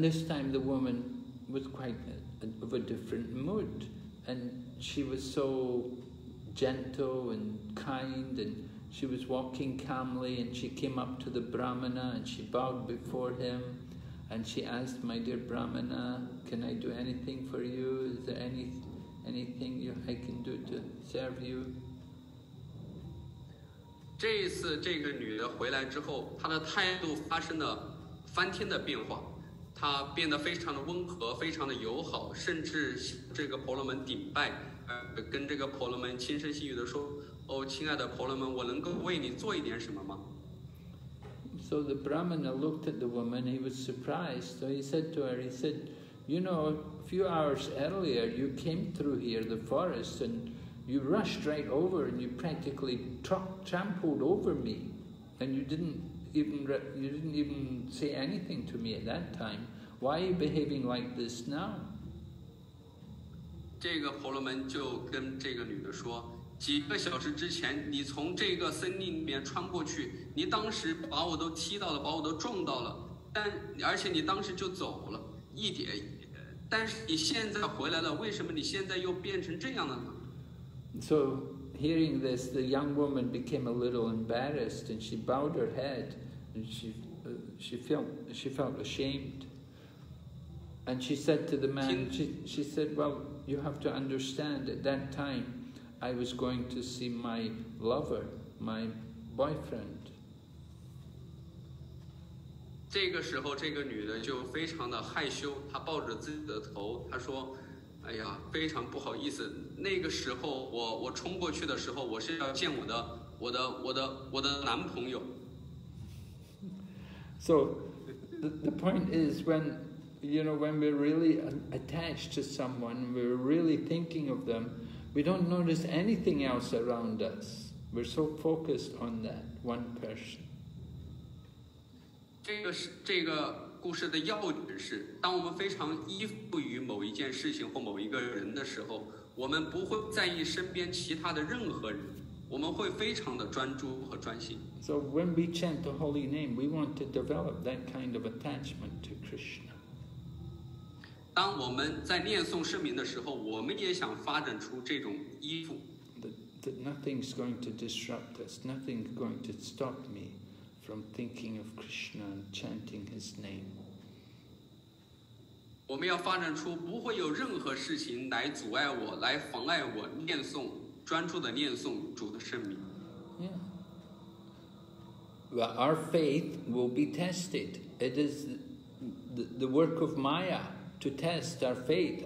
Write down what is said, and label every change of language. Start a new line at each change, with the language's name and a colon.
English: this time the woman was quite of a different mood, and she was so gentle and kind, and She was walking calmly and she came up to the Brahmana and she bowed before him and she asked, "My dear Brahmana, can I do anything for you? Is there anything you, I can do to serve you?"
Chinese: 这一次这个女的回来之后，她的态度发生了翻天的变化，她变得非常的温和，非常的友好，甚至这个婆罗门顶拜，跟这个婆罗门轻声细语地说，哦，亲爱的婆罗门，我能够为你做一点什么吗？
English: So the Brahmana looked at the woman, he was surprised, so he said to her, he said, "You know, a few hours earlier you came through here, the forest, andYou rushed right over and you practically trampled over me and you didn't even say anything to me at that time. Why are you behaving like this now?"
Chinese: 这个婆罗门就跟这个女的说，几个小时之前你从这个森林里面穿过去，你当时把我都踢到了，把我都撞到了，但而且你当时就走了一点，但是你现在回来了，为什么你现在又变成这样了呢？
English: So, hearing this, the young woman became a little embarrassed and she bowed her head and she felt ashamed. And she said to the man, she said, "Well, you have to understand, at that time, I was going to see my lover, my boyfriend."
Chinese: 这个时候这个女的就非常的害羞，她抱着自己的头，她说，哎呀，非常不好意思。那个时候我冲过去的时候，我是要见我的男朋友。
English: So, the point is when, you know, when we're really attached to someone, we're really thinking of them, we don't notice anything else around us. We're so focused on that one person.
Chinese: 这个故事的要点是，当我们非常依附于某一件事情或某一个人的时候，我们不会在意身边其他的任何人，我们会非常的专注和专心。
English: So when we chant the holy name, we want to develop that kind of attachment to Krishna.
Chinese: 当我们在念诵圣名的时候，我们也想发展出这种依附。
English: That nothing's going to disrupt us, nothing's going to stop me. From thinking of Krishna and chanting his name.
Chinese: 我们要发展出不会有任何事情来阻碍我，来妨碍我念诵，专注的念诵主的圣名。
English: Yeah. But our faith will be tested. It is the work of Maya to test our faith.